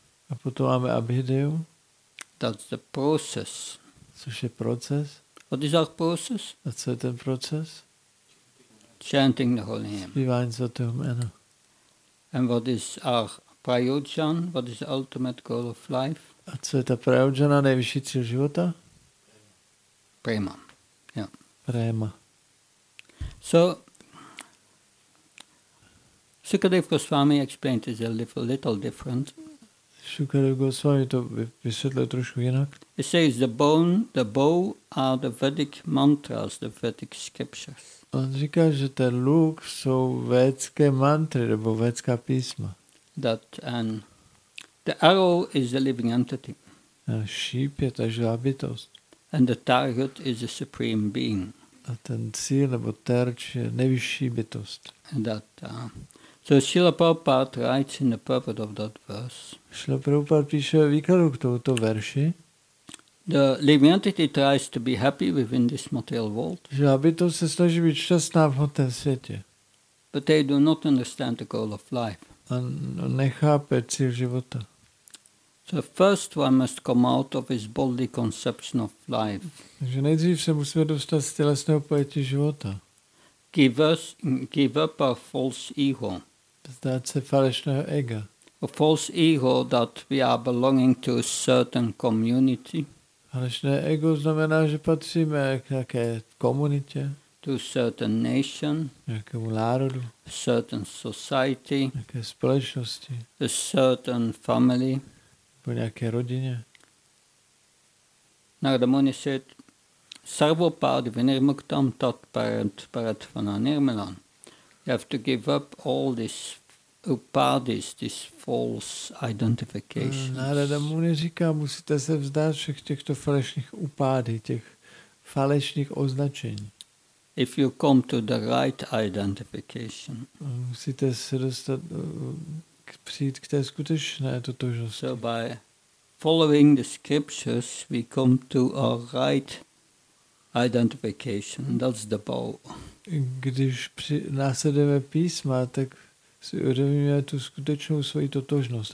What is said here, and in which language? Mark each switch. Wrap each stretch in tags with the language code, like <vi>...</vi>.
<cs>A potom máme abhideju.</cs> <en>That's the process.</en> <cs>Což je proces.</cs> <en>What is that process?</en> <cs>A co je ten proces?</cs> <en>Chanting the holy name.</en> <cs>Zpívání svatého jména.</cs> <en>And what is our prayojan? What is the ultimate goal of life?</en> <cs>A co je ta prayojana, nejvyšší cíl života?</cs> <en>Prema. Yeah.</en> <cs>Prema.</cs> <en>So, Sukadev Goswami explained this a little different.</en> <cs>Sukadev Goswami to vysvětlil trošku jinak.</cs> <en>He says the bone, the bow are the Vedic mantras, the Vedic scriptures.</en> <cs>On říká, že ten luk jsou védské mantry nebo védská písma.</cs> <en>That and the arrow is the living entity.</en> <cs>A šíp je ta živá bytost.</cs> <en>And the target is the supreme being.</en> <cs>A ten cíl nebo terč je nejvyšší bytost.</cs> <en>And that so Srila Prabhupada writes in the purport of that verse.</en> <cs>Srila Prabhupada píše výkladu k tomuto verši.</cs> <en>The living entity tries to be happy within this material world.</en> <cs>Živá bytost se snaží být šťastná v hmotném světě.</cs> <en>But they do not understand the goal of life.</en> <cs>A nechápe cíl života.</cs> <en>So first one must come out of his bodily conception of life.</en> <cs>Takže nejdřív se musíme dostat z tělesného pojetí života.</cs> <en>Give up our false ego.</en> <cs>Zdát se falešného ega.</cs> <en>A false ego that we are belonging to a certain community.</en> <cs>Falešné ego znamená, že patříme k nějaké komunitě.</cs> <en>To a certain nation,</en> <cs>nějakému národu,</cs> <en>a certain society,</en> <cs>nějaké společnosti,</cs> <en>a certain family,</en> <cs>nebo nějaké rodině.</cs> <en>Narada Muni said,</en> <sa>sarvopadi vinirmuktam tat parat paratvana nirmalam.</sa> <en>You have to give up all these upadis, these false identifications.</en> <cs>Narada Muni říká, musíte se vzdát všech těchto falešných upády, těch falešných označení.</cs> <en>If you come to the right identification.</en> <cs>Musíte se dostat přijít k té skutečné totožnosti.</cs> <en>So by following the scriptures we come to our right identification. That's the bow.</en> <cs>Když následujeme písma, tak si uvědomíme tu skutečnou svoji totožnost.</cs>